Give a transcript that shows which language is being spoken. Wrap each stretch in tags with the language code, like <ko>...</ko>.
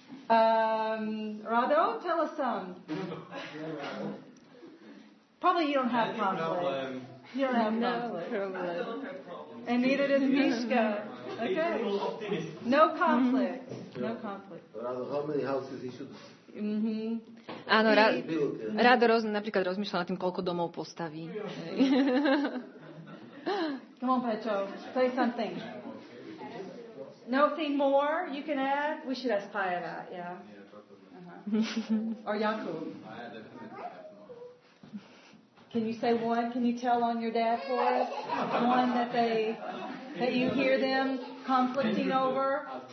<en>Rado, tell us some. Probably you don't have conflict. You don't have conflict. And neither does Mishka. Okay. No conflict. No conflict. Rado, how many houses he should... Mm-hmm.</en> <sk>Áno, rád napríklad rozmýšľa nad tým, koľko domov postaví.</sk> <en>Come on, Pecho, say something. Nothing more you can add? We should ask Paya that, yeah? Uh-huh. Or Yaku. Can you say one? Can you tell on your dad for us? One that they that you hear them conflicting over?</en>